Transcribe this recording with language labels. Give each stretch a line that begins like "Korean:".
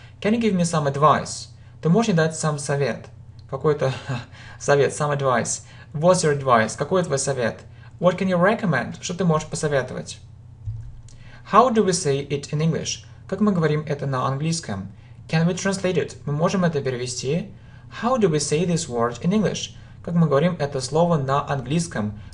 English: Can you give me some advice?
Russian: Ты можешь мне дать сам совет? Какой-то совет,
English: some advice. What's your advice?
Russian: Какой твой совет?
English: What can you recommend?
Russian: Что ты можешь посоветовать?
English: How do we say it in English?
Russian: Как мы говорим это на английском?
English: Can we translate it?
Russian: Мы можем это перевести?
English: How do we say this word in English?
Russian: Как мы говорим это слово на английском?